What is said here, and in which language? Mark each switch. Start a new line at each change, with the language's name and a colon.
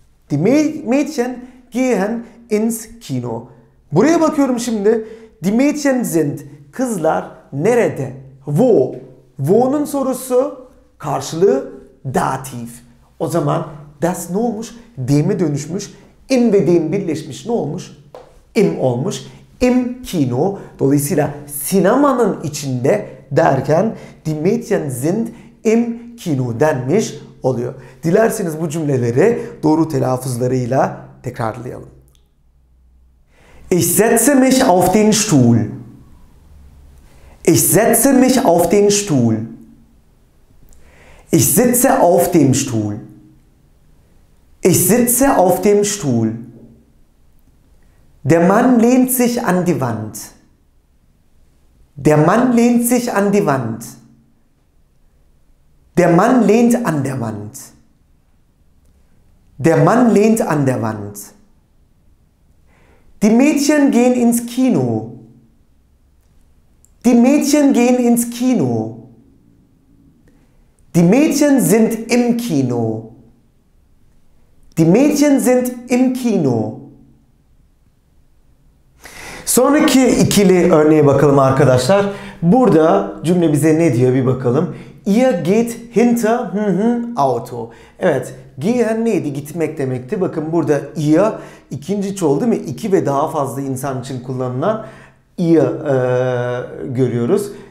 German: Die Mädchen gehen ins Kino.
Turkish: Buraya bakıyorum şimdi.
German: Die Mädchen sind.
Turkish: Kızlar nerede? Wo. Wo'nun sorusu karşılığı datif. O zaman das ne olmuş? Dem'e dönüşmüş. Im ve dem birleşmiş. Ne olmuş? Im olmuş. Im Kino. Dolayısıyla sinemanın içinde derken
German: die Mädchen sind im Kino
Turkish: denmiş oluyor. Dilerseniz bu cümleleri doğru telaffuzlarıyla tekrarlayalım.
German: Ich setze mich auf den Stuhl. Ich setze mich auf den Stuhl. Ich sitze auf dem Stuhl. Ich sitze auf dem Stuhl. Der Mann lehnt sich an die Wand. Der Mann lehnt sich an die Wand. Der Mann lehnt an der Wand. Der Mann lehnt an der Wand. Die Mädchen gehen ins Kino. Die Mädchen gehen ins Kino. Die Mädchen sind im Kino. Die Mädchen sind im Kino.
Turkish: Sonraki ikili örneğe bakalım arkadaşlar. Burada cümle bize ne diyor bir bakalım.
German: Ihr geht hinter Auto.
Turkish: Evet,
German: gehen
Turkish: neydi? Gitmek demekti. Bakın burada ihr ikinci çoğul değil mi? İki ve daha fazla insan için kullanılan ihr görüyoruz.